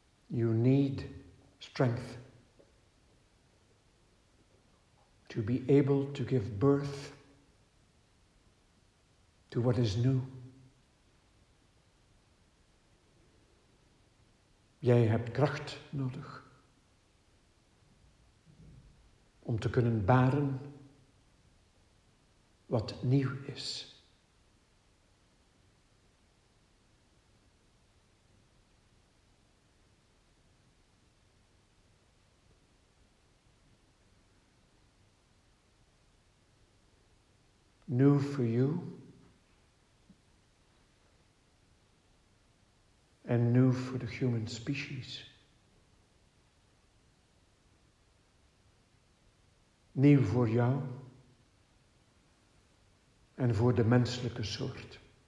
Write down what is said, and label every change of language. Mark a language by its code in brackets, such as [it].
[en] You need strength to be able to give birth to what is new. [nl] Jij hebt kracht nodig om te kunnen baren wat nieuw is. [en] New for you, and new for the human species. [nl] Nieuw voor jou en voor de menselijke soort.